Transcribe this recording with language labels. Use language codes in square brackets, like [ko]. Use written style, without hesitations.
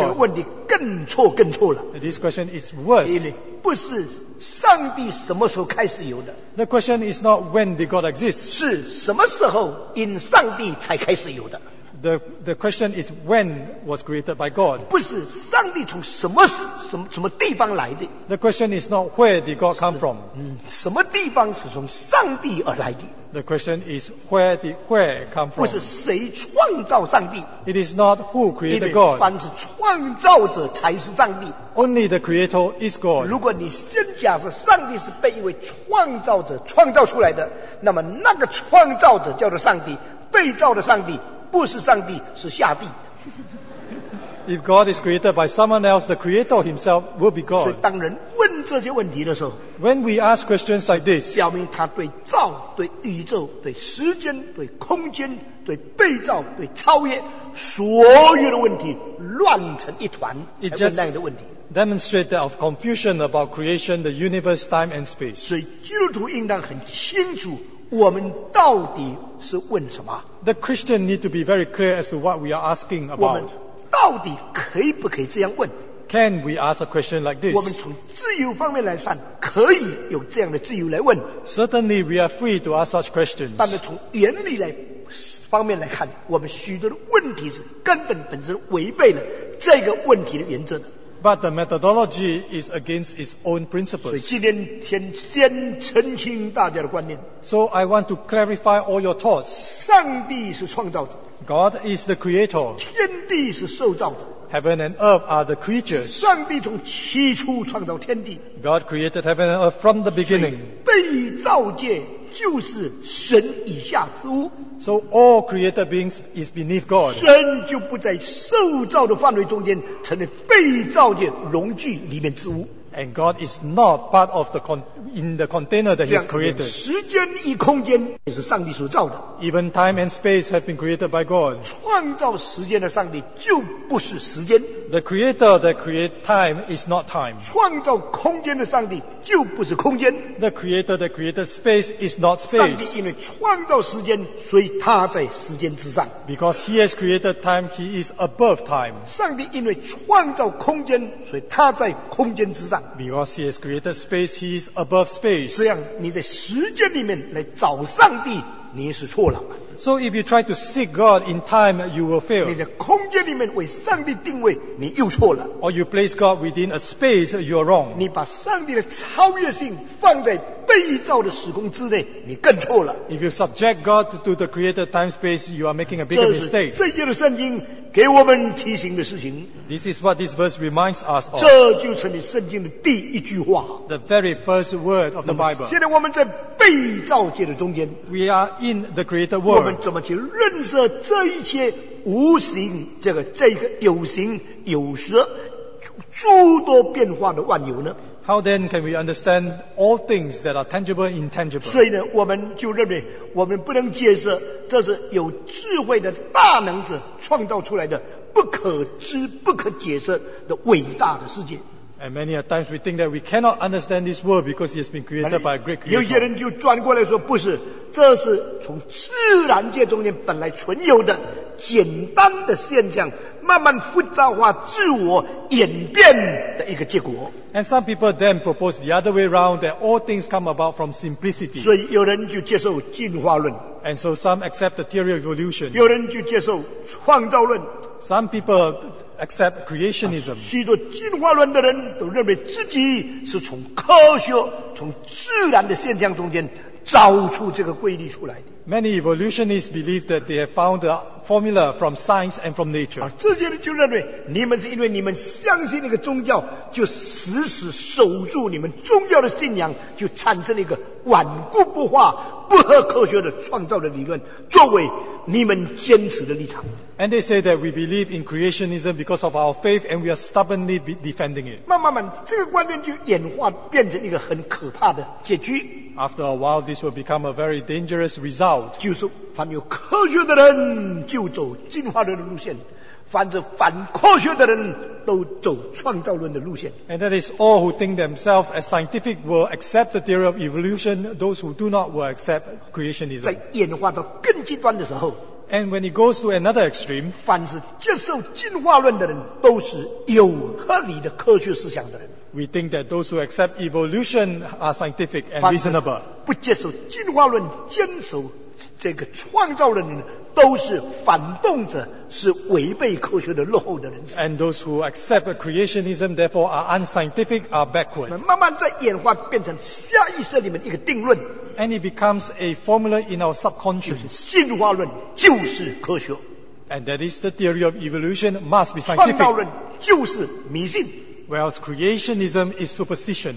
[zh] 这个问题更错更错了。 [en] This question is worse. [zh] 因为不是上帝什么时候开始有的。 [en] The question is not when did God exist? [zh] 是什么时候因上帝才开始有的。 [en] The question is when was created by God. [zh] 不是上帝从什么地方来的。 [en] The question is not where did God come from. [zh] 什么地方是从上帝而来的。 [en] The question is where come from. [zh] 不是谁创造上帝。 [en] It is not who created God. [zh] 凡是创造者才是上帝。 [en] Only the creator is God. [zh] 如果你先假设上帝是被一位创造者创造出来的，那么那个创造者叫做上帝，被造的上帝不是上帝，是下帝。 [en] If God is created by someone else, the creator himself will be God. [zh] 所以当人问这些问题的时候， [en] When we ask questions like this, [zh] 表明他对造、对宇宙、对时间、对空间、对被造、对超越所有的问题乱成一团，才问那样的问题。 [en] Demonstrate that of confusion about creation, the universe, time and space. [zh] 所以基督徒应当很清楚我们到底是问什么。 [en] The Christian need to be very clear as to what we are asking about. [zh] 我们到底可以不可以这样问。 [en] Can we ask a question like this? [zh] 我们从自由方面来算，可以有这样的自由来问。 [en] Certainly we are free to ask such questions. [zh] 但是从原理来方面来看，我们许多的问题是根本本身违背了这个问题的原则的。 [en] But the methodology is against its own principles. [zh] 所以今天先澄清大家的观念。 [en] So I want to clarify all your thoughts. [zh] 上帝是创造者。 [en] God is the creator. [zh] 天地是受造者。 [en] Heaven and earth are the creatures. [zh] 上帝从起初创造天地。 [en] God created heaven and earth from the beginning. [zh] 所以被造界就是神以下之物。 [en] So all created beings is beneath God. [zh] 神就不在受造的范围中间，成了被造界容器里面之物。 [en] And God is not part of the in the container that He has created. [zh] 时间与空间也是上帝所造的。 [en] Even time and space have been created by God. [zh] 创造时间的上帝就不是时间。 [en] The creator that create time is not time. [zh] 创造空间的上帝就不是空间。 [en] The creator that created space is not space. [zh] 上帝因为创造时间，所以他在时间之上。 [en] Because He has created time, He is above time. [zh] 上帝因为创造空间，所以他在空间之上。 [en] Because He has created space, He is above space. [zh] 这样你在时间里面来找上帝，你是错了。 [en] So if you try to seek God in time, you will fail. [zh] 你在空间里面为上帝定位，你又错了。 [en] Or you place God within a space, you are wrong. [zh] 你把上帝的超越性放在被造的时空之内，你更错了。 [en] If you subject God to the created time space, you are making a bigger mistake. [zh] 这是这节的圣经给我们提醒的事情。 [en] This is what this verse reminds us of. [zh] 这就成了圣经的第一句话。 [en] The very first word of the Bible. [zh] 现在我们在被造界的中间。 [en] We are in the created world. [zh] 我们怎么去认识这一切无形，这个有形有实诸多变化的万有呢？ [en] How then can we understand all things that are tangible and intangible? [zh] 所以呢，我们就认为我们不能解释这是有智慧的大能者创造出来的不可知不可解释的伟大的世界。 [en] And many a times we think that we cannot understand this world because it has been created by a great creator. [zh] 有些人就转过来说，不是，这是从自然界中间本来存有的简单的现象，慢慢复杂化自我演变的一个结果。 [en] And some people then propose the other way around, that all things come about from simplicity. [zh] 所以有人就接受进化论。 [en] And so some accept the theory of evolution. [zh] 有人就接受创造论。 [en] Some people accept creationism. [zh] 许多进化论的人都认为自己是从科学、从自然的现象中间找出这个规律出来的。 [en] Many evolutionists believe that they have found a formula from science and from nature. [zh] 这些人就认为你们是因为你们相信那个宗教，就死死守住你们宗教的信仰，就产生了一个顽固不化、不合科学的创造的理论，作为你们坚持的立场。 [en] And they say that we believe in creationism because of our faith, and we are stubbornly defending it. [zh] 慢慢，这个观念就演化变成一个很可怕的结局。 [en] After a while, this will become a very dangerous result. [zh] 就是凡有科学的人就走进化论的路线，凡是反科学的人都走创造论的路线。 [en] And that is all who think themselves as scientific will accept the theory of evolution. Those who do not will accept creationism. [zh] 在演化到更极端的时候。 [en] And when it goes to another extreme, [zh] 凡是接受进化论的人都是有合理的科学思想的人。 [en] We think that those who accept evolution are scientific and reasonable. [zh] 不接受进化论，坚守这个创造论，都是反动者，是违背科学的落后的人士。 [en] And those who accept creationism, therefore are unscientific, are backward. [zh] 慢慢在演化变成下意识里面一个定论。 [en] And it becomes a formula in our subconscious. [zh] 就是进化论就是科学。 [en] And that is the theory of evolution must be scientific. [zh] 创造论就是迷信。 [en] Whereas creationism is superstition.